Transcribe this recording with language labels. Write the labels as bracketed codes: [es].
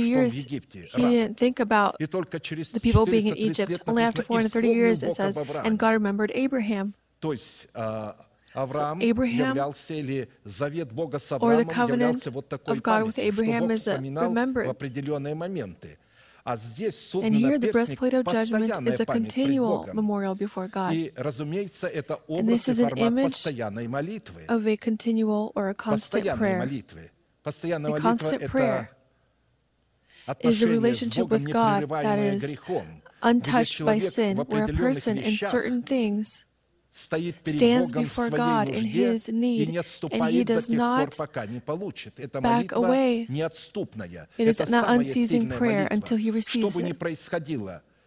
[en] years he didn't think about the people being in Egypt. Only after 430 years it says, and God remembered Abraham. [ru] То есть Авраам являлся или завет Бога с Авраамом являлся вот такой памятью, что Бог вспоминал в определенные моменты. А здесь суд наперстник постоянная память пред Богом. И, разумеется, это образ и формат постоянной молитвы. Постоянной молитвы. Постоянная молитва – это отношение с Богом, непрерываемое грехом. [en] Untouched by sin, where a person in certain things stands before God in his need, and he does not back away. It is an unceasing prayer until he receives it.